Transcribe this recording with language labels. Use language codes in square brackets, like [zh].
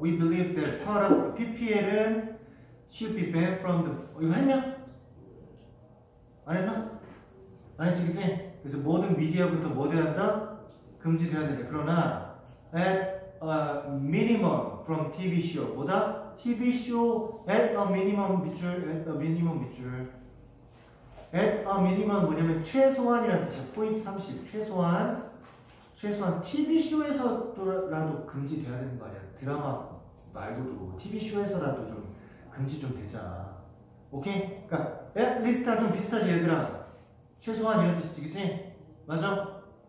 [en] We believe that product PPL은 should be banned from the... [ko] 이거 했냐? 안 했나? 안 했지, 그치? 그래서 모든 미디어부터 뭐 돼야 한다? 금지돼야 된다. 그러나 [en] at a minimum from TV show. [ko] 뭐다? [en] TV show at a minimum [ko] 밑줄, [en] at a minimum [ko] 밑줄. [en] At a minimum [ko] 뭐냐면 최소한이라는 뜻이야. 포인트 30. 최소한 TV쇼에서라도 금지되어야 되는 거 아니야. 드라마 말고도 TV쇼에서라도 좀 금지 좀 되잖아. 오케이? 그러니까 [en] At least [ko] 랑 좀 비슷하지 얘들아. 최소한 이런 뜻이지, 그치? 맞아?